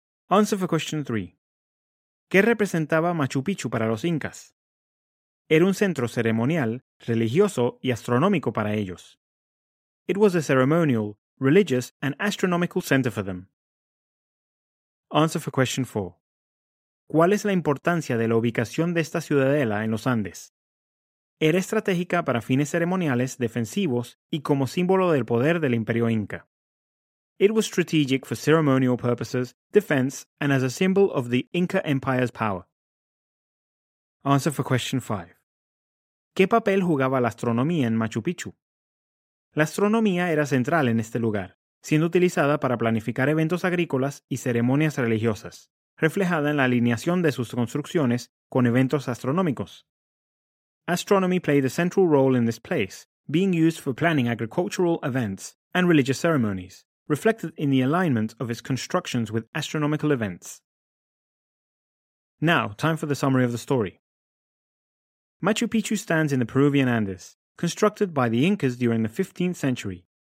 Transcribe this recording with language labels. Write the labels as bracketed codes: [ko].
[en] Answer for question 3. [es] ¿Qué representaba Machu Picchu para los incas? Era un centro ceremonial, religioso y astronómico para ellos. [en] It was a ceremonial, religious and astronomical center for them. Answer for question 4. [es] ¿Cuál es la importancia de la ubicación de esta ciudadela en los Andes? Era estratégica para fines ceremoniales, defensivos y como símbolo del poder del Imperio Inca. [en] It was strategic for ceremonial purposes, defense, and as a symbol of the Inca Empire's power. Answer for question 5. [es] ¿Qué papel jugaba la astronomía en Machu Picchu? La astronomía era central en este lugar, siendo utilizada para planificar eventos agrícolas y ceremonias religiosas, reflejada en la alineación de sus construcciones con eventos astronómicos. [en] Astronomy played a central role in this place, being used for planning agricultural events and religious ceremonies, reflected in the alignment of its constructions with astronomical events. Now, time for the summary of the story. Machu Picchu stands in the Peruvian Andes, constructed by the Incas during the 15th century.